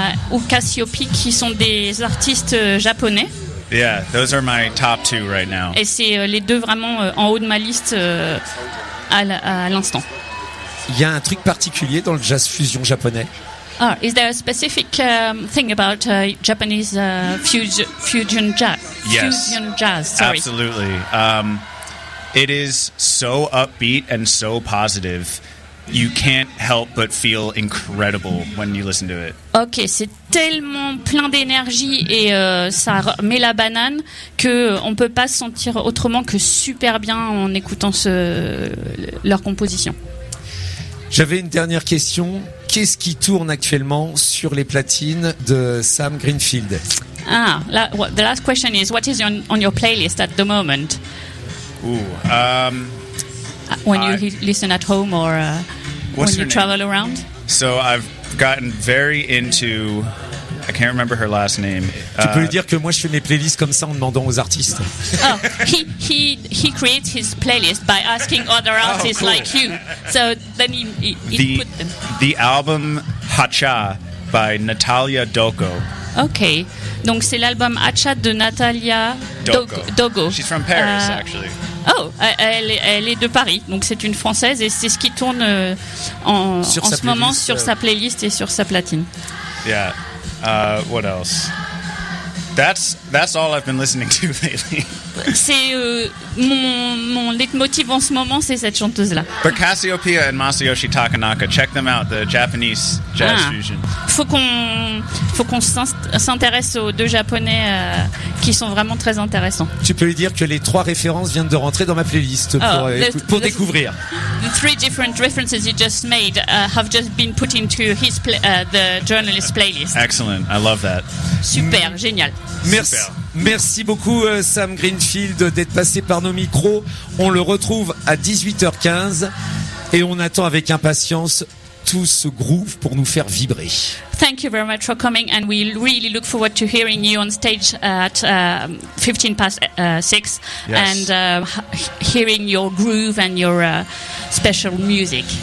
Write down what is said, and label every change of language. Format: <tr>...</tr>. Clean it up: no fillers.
<fr>Ou Cassiopeia, qui sont des artistes japonais.</fr> <en>Yeah, those are my top two right now.</en> <fr>Et c'est les deux vraiment en haut de ma liste à l'instant. Il y a un truc particulier dans le jazz fusion japonais.</fr> <en>Ah, is there a specific thing about Japanese fusion jazz? Yes. Fusion jazz, sorry. Absolutely. It is so upbeat and so positive. You can't help but feel incredible when you listen to it.</en> <fr>OK, c'est tellement plein d'énergie et ça met la banane que on peut pas se sentir autrement que super bien en écoutant leur composition. J'avais une dernière question. Qu'est-ce qui tourne actuellement sur les platines de Sam Greenfield?</fr> <en>Ah, the last question is, what is on your playlist at the moment? Ooh. Listen at home or when you travel around? So I've gotten very into. I can't remember her last name.</en> <fr>Tu peux lui dire que moi je fais mes playlists comme ça en demandant aux artistes.</fr> <en>Oh, he creates his playlist by asking other artists cool. Like you. So then he put them. The album Hacha by Natalia Doko. Okay.</en> <fr>Donc c'est l'album Hacha de Natalia Doko.</fr> <en>She's from Paris actually.</en> <fr>Oh, elle est de Paris, donc c'est une Française et c'est ce qui tourne en ce moment sur sa playlist et sur sa platine.</fr> <en>Yeah. What else? That's all I've been listening to lately.</en> <fr>C'est mon leitmotiv en ce moment, c'est cette chanteuse là.</fr> <en>But Cassiopeia and Masayoshi Takanaka, check them out, the Japanese jazz fusion.</en> <fr>Faut qu'on s'intéresse aux deux japonais qui sont vraiment très intéressants. Tu peux lui dire que les trois références viennent de rentrer dans ma playlist pour découvrir.</fr> <en>The three different references you just made have just been put into his the journalist's playlist. Excellent, I love that.</en> <fr>Super, génial. Merci. Super. Merci beaucoup Sam Greenfield d'être passé par nos micros. On le retrouve à 18h15 et on attend avec impatience tout ce groove pour nous faire vibrer.</fr> <en>Thank you very much for coming and we really look forward to hearing you on stage at 15 past 6 yes. And hearing your groove and your special music.</en>